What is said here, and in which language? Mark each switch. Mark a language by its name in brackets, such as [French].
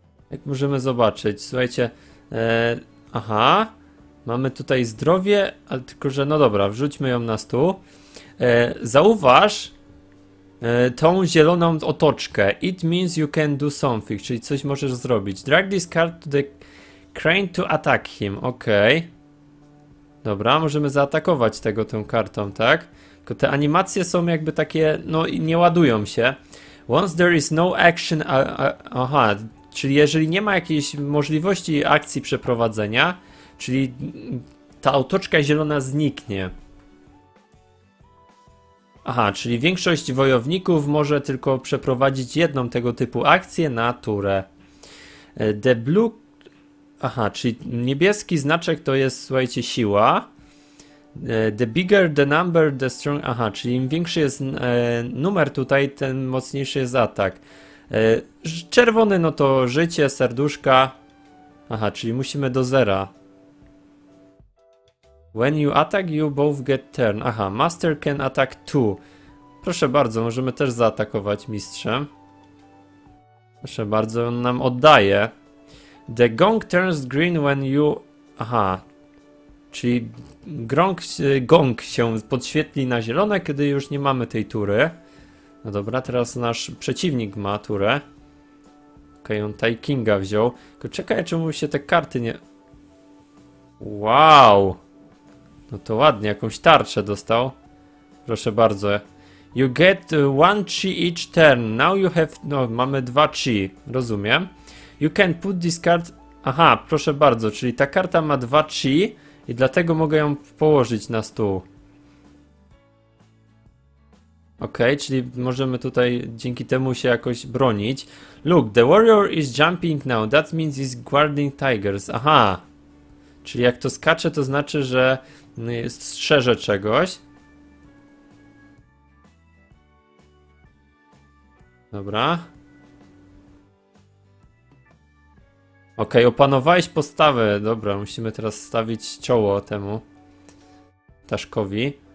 [Polish] Jak możemy zobaczyć, słuchajcie, aha, mamy tutaj zdrowie, ale tylko, że no dobra, wrzućmy ją na stół. Zauważ tą zieloną otoczkę. [English] It means you can do something, [Polish] czyli coś możesz zrobić. [English] Drag this card to the crane to attack him, okej. Okay. [Polish] Dobra, możemy zaatakować tego tą kartą, tak? Tylko te animacje są jakby takie, no i nie ładują się. [English] Once there is no action, [Polish] aha, czyli jeżeli nie ma jakiejś możliwości akcji przeprowadzenia, czyli ta otoczka zielona zniknie. Aha, czyli większość wojowników może tylko przeprowadzić jedną tego typu akcję na turę. [English] The blue... [Polish] Aha, czyli niebieski znaczek to jest, słuchajcie, siła. [English] The bigger the number, the strong... [Polish] Aha, czyli im większy jest numer tutaj, tym mocniejszy jest atak. Czerwony, no to życie, serduszka. Aha, czyli musimy do zera. [English] When you attack, you both get turn. Aha, master can attack two. [Polish] Proszę bardzo, możemy też zaatakować mistrzem. Proszę bardzo, on nam oddaje. [English] The gong turns green when you... [Polish] Aha. Czyli gong się podświetli na zielone, kiedy już nie mamy tej tury. No dobra, teraz nasz przeciwnik ma turę. Okej, on Taekinga wziął. Tylko czekaj, czemu się te karty nie... Wow. No to ładnie, jakąś tarczę dostał. Proszę bardzo. [English] You get one chi each turn. Now you have... [Polish] No, mamy dwa chi. Rozumiem. [English] You can put this card... [Polish] Aha, proszę bardzo, czyli ta karta ma dwa chi i dlatego mogę ją położyć na stół. Okej, czyli możemy tutaj dzięki temu się jakoś bronić. [English] Look, the warrior is jumping now, that means he's guarding tigers. [Polish] Aha, czyli jak to skacze, to znaczy, że strzeże czegoś. Dobra. Okej, okay, opanowałeś postawę. Dobra, musimy teraz stawić czoło temu ptaszkowi.